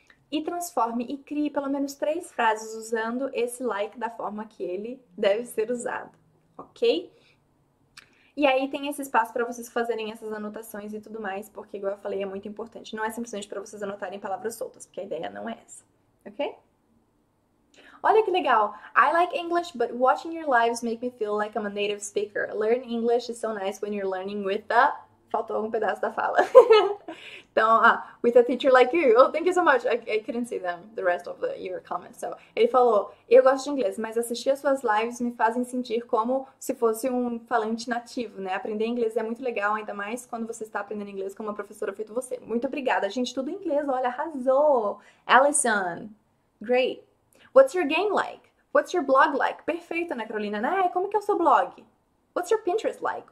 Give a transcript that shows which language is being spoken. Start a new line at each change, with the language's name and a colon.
Portuguese: E transforme e crie pelo menos três frases usando esse like da forma que ele deve ser usado, ok? E aí tem esse espaço para vocês fazerem essas anotações e tudo mais, porque, igual eu falei, é muito importante. Não é simplesmente para vocês anotarem palavras soltas, porque a ideia não é essa, ok? Olha que legal!
English: I like English, but watching your lives make me feel like I'm a native speaker. Learn English is so nice when you're learning with the.
Portuguese: Faltou algum pedaço da fala.
English: Então, with a teacher like you. Oh, thank you so much. I couldn't see them, the rest of your comments.
Portuguese: So, ele falou, eu gosto de inglês, mas assistir as suas lives me fazem sentir como se fosse um falante nativo, né? Aprender inglês é muito legal, ainda mais quando você está aprendendo inglês com uma professora feito você. Muito obrigada. Gente, tudo em inglês, olha, arrasou. Alison, great.
English: What's your game like? What's your blog like?
Portuguese: Perfeito, né, Carolina? Né? Como que é o seu blog?
English: What's your Pinterest like?